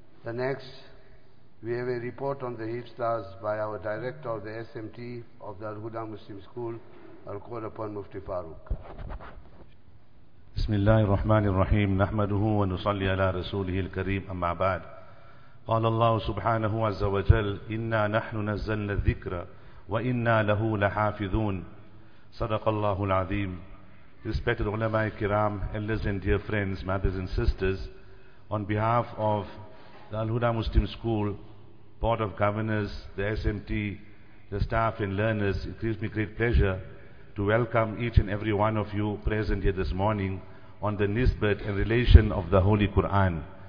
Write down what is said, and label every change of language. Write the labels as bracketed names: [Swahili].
[English] The next, we have a report on the Hifzhs by our director of the SMT of the Al-Huda Muslim School. I'll call upon Mufti Farouk. [Arabic] بسم الله الرحمن الرحيم نحمده ونصلي على رسوله الكريم أما بعد قال الله سبحانه عز وجل إنا نحن نزلنا الذكر وإنا له لحافظون صدق الله العظيم. [English] Respected ulama kiram, elders and dear friends, mothers and sisters, on behalf of the Al-Huda Muslim School, Board of Governors, the SMT, the staff and learners, it gives me great pleasure to welcome each and every one of you present here this morning on the nisbat and relation of the Holy Quran.